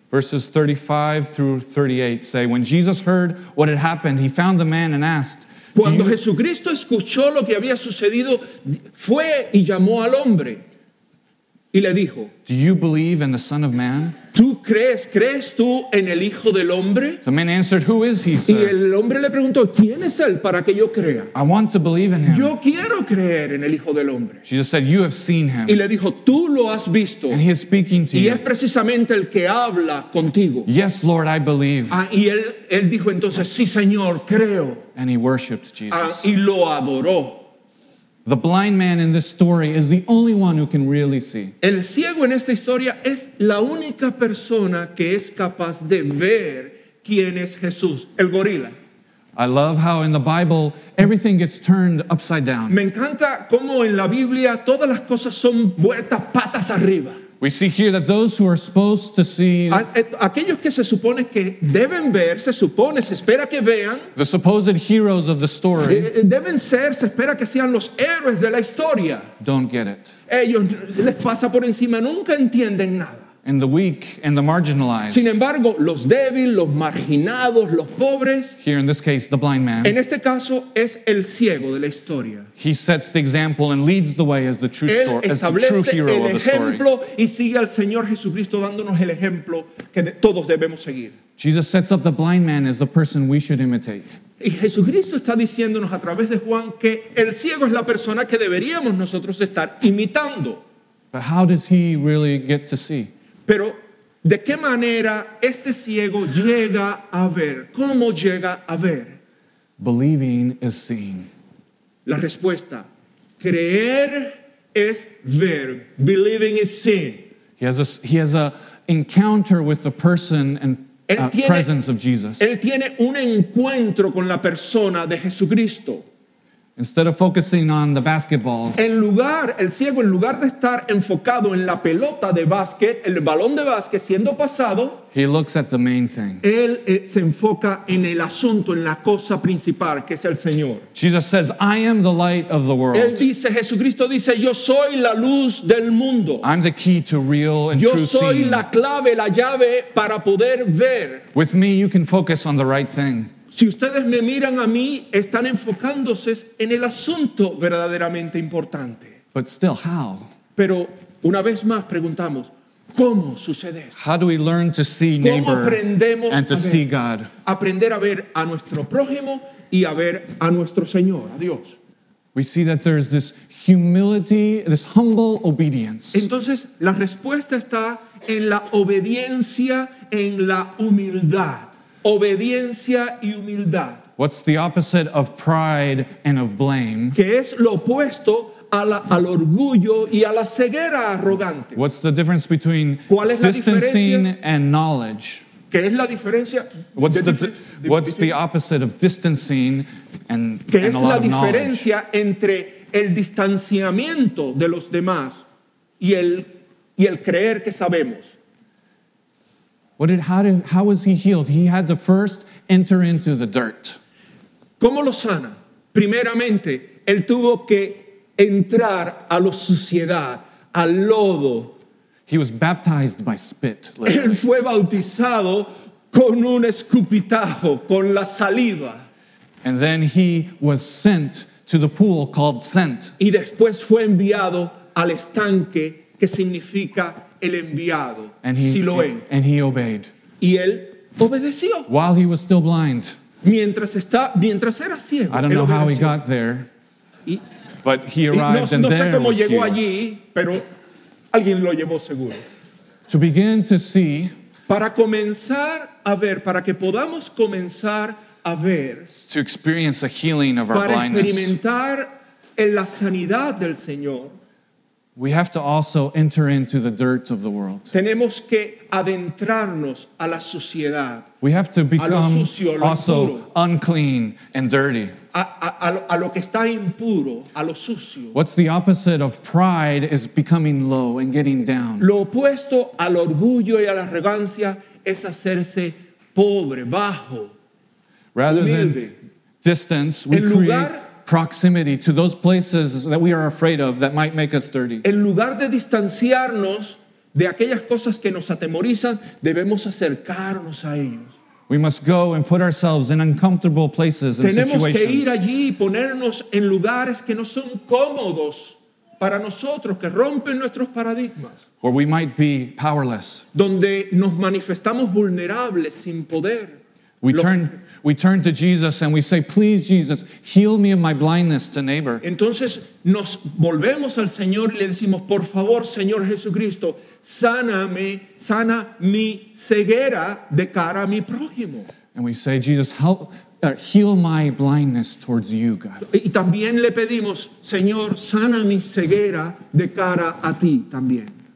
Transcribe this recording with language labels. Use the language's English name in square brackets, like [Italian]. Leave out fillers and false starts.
[English] Verses 35 through 38 say, when Jesus heard what had happened, he found the man and asked, [Spanish] cuando Jesucristo escuchó lo que había sucedido, fue y llamó al hombre y le dijo, [English] do you believe in the Son of Man? [Spanish] ¿Tú crees tú en el Hijo del Hombre? [English] The man answered, who is he, sir? [Spanish] Y el hombre le preguntó, ¿quién es él para que yo crea? [English] I want to believe in him. [Spanish] Yo quiero creer en el Hijo del Hombre. [English] Jesus said, you have seen him. [Spanish] Y le dijo, tú lo has visto. [English] And he is speaking to [Spanish] y [English] you. [Spanish] Y es precisamente el que habla contigo. [English] Yes, Lord, I believe. [Spanish] Y él dijo entonces, sí, Señor, creo. [English] And he worshipped Jesus. [Spanish] Y lo adoró. [English] The blind man in this story is the only one who can really see. [Spanish] El ciego en esta historia es la única persona que es capaz de ver quién es Jesús, el gorila. [English] I love how in the Bible everything gets turned upside down. [Spanish] Me encanta cómo en la Biblia todas las cosas son vueltas patas arriba. [English] We see here that those who are supposed to see, [Spanish] aquellos que se supone que deben ver, se supone, se espera que vean, [English] the supposed heroes of the story, [Spanish] deben ser, se espera que sean los héroes de la historia, [English] don't get it. [Spanish] Ellos les pasa por encima, nunca entienden nada. [English] And the weak and the marginalized. [Spanish] Sin embargo, los débiles, los marginados, los pobres. [English] Here in this case, the blind man. [Spanish] En este caso, es el ciego de la historia. [English] He sets the example and leads the way as the true story, as the true hero of the story. [Spanish] El ejemplo y sigue al Señor Jesucristo dándonos el ejemplo que todos debemos seguir. [English] Jesus sets up the blind man as the person we should imitate. [Spanish] Y Jesucristo está diciéndonos a través de Juan que el ciego es la persona que deberíamos nosotros estar imitando. [English] But how does he really get to see? [Spanish] Pero, ¿de qué manera este ciego llega a ver? ¿Cómo llega a ver? [English] Believing is seeing. [Spanish] La respuesta, creer es ver. [English] Believing is seeing. He has a encounter with the person and presence of Jesus. [Spanish] Él tiene un encuentro con la persona de Jesucristo. [English] Instead of focusing on the basketballs, [Spanish] el ciego en lugar de estar enfocado en la pelota de básquet, el balón de básquet siendo pasado, [English] he looks at the main thing. [Spanish] Él se enfoca en el asunto, en la cosa principal, que es el Señor. [English] Jesus says, "I am the light of the world." [Spanish] Él dice, Jesucristo dice, "Yo soy la luz del mundo." [English] I'm the key to real and [Spanish] yo [English] true seeing. [Spanish] Yo soy la clave, la llave para poder ver. [English] With me, you can focus on the right thing. [Spanish] Si ustedes me miran a mí, están enfocándose en el asunto verdaderamente importante. [English] But still, how? [Spanish] Pero una vez más preguntamos, ¿cómo sucede esto? [English] How do we learn to see neighbor [Spanish] aprendemos [English] and to [Spanish] a ver, [English] see God? [Spanish] Aprender a ver a nuestro prójimo y a ver a nuestro Señor, a Dios. [English] We see that there's this humility, this humble obedience. [Spanish] Entonces, la respuesta está en la obediencia, en la humildad. Obediencia y humildad. [English] What's the opposite of pride and of blame? [Spanish] Que es lo opuesto al orgullo y a la ceguera arrogante. [English] What's the difference between distancing and knowledge? [Spanish] ¿Qué es la diferencia? [English] What's the opposite of distancing and [Spanish] ¿qué es [English] and a lot [Spanish] la diferencia [English] of knowledge? [Spanish] Entre el distanciamiento de los demás y el creer que sabemos? [English] How was he healed? He had to first enter into the dirt. [Spanish] ¿Cómo lo sana? Primeramente, él tuvo que entrar a la suciedad, al lodo. [English] He was baptized by spit. Literally. [Spanish] Él fue bautizado con un escupitajo, con la saliva. [English] And then he was sent to the pool called scent. [Spanish] Y después fue enviado al estanque que significa el enviado, Siloé. [English] And he obeyed. [Spanish] Y él obedeció. [English] While he was still blind. [Spanish] Mientras era ciego. [English] I don't know how he got there. But he arrived and there was healed. [Spanish] No sé cómo llegó allí, pero alguien lo llevó seguro. [English] To begin to see. [Spanish] Para comenzar a ver, para que podamos comenzar a ver. [English] To experience a healing of our blindness. [Spanish] Para experimentar en la sanidad del Señor. [English] We have to also enter into the dirt of the world. [Spanish] Tenemos que adentrarnos a la sociedad. [English] We have to become also unclean and dirty. [Spanish] A lo que está impuro, a lo sucio. [English] What's the opposite of pride is becoming low and getting down. [Spanish] Lo opuesto al orgullo y a la arrogancia es hacerse pobre, bajo. [English] Rather than distance, we create proximity to those places that we are afraid of that might make us dirty. [Spanish] En lugar de distanciarnos de aquellas cosas que nos atemorizan, debemos acercarnos a ellos. [English] We must go and put ourselves in uncomfortable places and [Spanish] Tenemos [English] situations. [Spanish] Tenemos que ir allí y ponernos en lugares que no son cómodos para nosotros, que rompen nuestros paradigmas. [English] Where we might be powerless. [Spanish] Donde nos manifestamos vulnerables, sin poder. [English] We turn to Jesus and we say, please, Jesus, heal me of my blindness to neighbor. [Spanish] Entonces nos volvemos al Señor y le decimos, por favor, Señor Jesucristo, sáname, sana mi ceguera de cara a mi prójimo. [English] And we say, Jesus, heal my blindness towards you, God. [Spanish] Y también le pedimos, Señor, sana mi ceguera de cara a ti también.